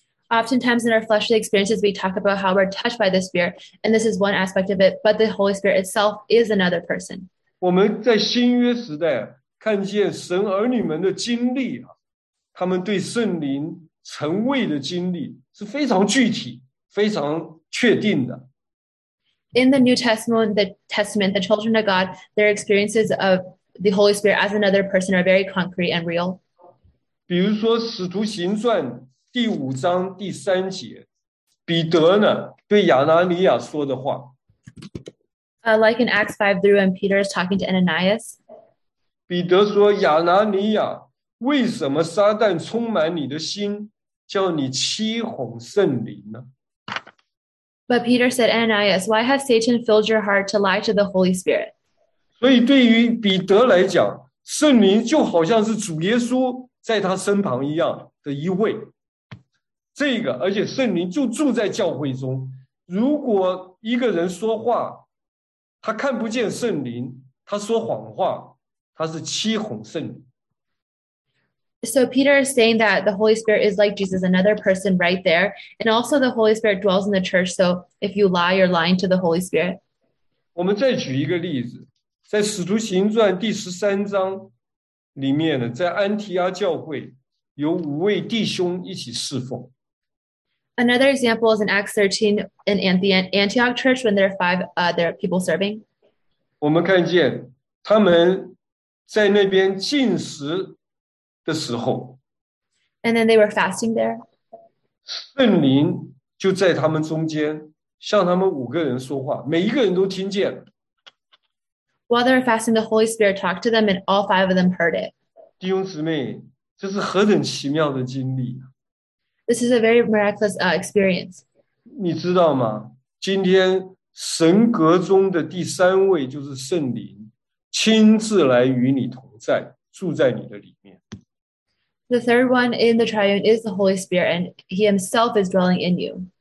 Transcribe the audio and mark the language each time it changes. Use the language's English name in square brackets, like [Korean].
[English] Oftentimes in our fleshly experiences, we talk about how we're touched by the Spirit, and this is one aspect of it, but the Holy Spirit itself is another person. [Chinese] 我们在新约时代看见神儿女们的经历啊，他们对圣灵成位的经历是非常具体，非常确定的。 [English] In the New Testament, the children of God, their experiences of the Holy Spirit as another person are very concrete and real. [Chinese] 比如说《使徒行传》第五章第三节，彼得呢，对亚拿尼亚说的话。 [English] Like in Acts 5 through when Peter is talking to Ananias. [Chinese] 彼得说亚拿尼亚，为什么撒旦充满你的心？叫你欺哄圣灵呢？ [English] But Peter said, Ananias, why has Satan filled your heart to lie to the Holy Spirit? [Chinese] 所以对于彼得来讲，圣灵就好像是主耶稣在他身旁一样的一位。这个，而且圣灵就住在教会中。如果一个人说话，他看不见圣灵，他说谎话，他是欺哄圣灵。 [English] So Peter is saying that the Holy Spirit is like Jesus, another person right there. And also the Holy Spirit dwells in the church, so if you lie, you're lying to the Holy Spirit. [Chinese] 我们再举一个例子，在使徒行传第十三章里面呢，在安提阿教会有五位弟兄一起侍奉。 [English] Another example is in Acts 13 in the Antioch church when there are five other people serving. [Chinese] 我们看见他们在那边进食的时候， [English] and then they were fasting there. [Chinese] 圣灵就在他们中间向他们五个人说话，每一个人都听见了。 [English] While they were fasting, the Holy Spirit talked to them, and all five of them heard it. [Chinese] 弟兄姊妹，这是何等奇妙的经历！ [English] This is a very miraculous experience. [Chinese] 你知道吗？今天神格中的第三位就是圣灵，亲自来与你同在，住在你的里面。 [English] The third one in the triune is the Holy Spirit, and He Himself is dwelling in you.